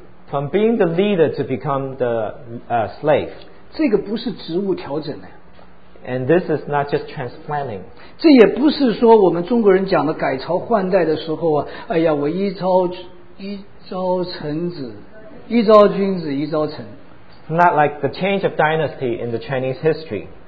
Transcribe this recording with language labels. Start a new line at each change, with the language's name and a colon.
English: from being the leader to become the slave,
Chinese: 这个不是职务调整的,
English: and this is not just transplanting.
Chinese: 这也不是说我们中国人讲的改朝换代的时候啊, 哎呀我一朝臣子, 一朝君子, 一朝臣,
English: not like the change of dynasty in the Chinese history.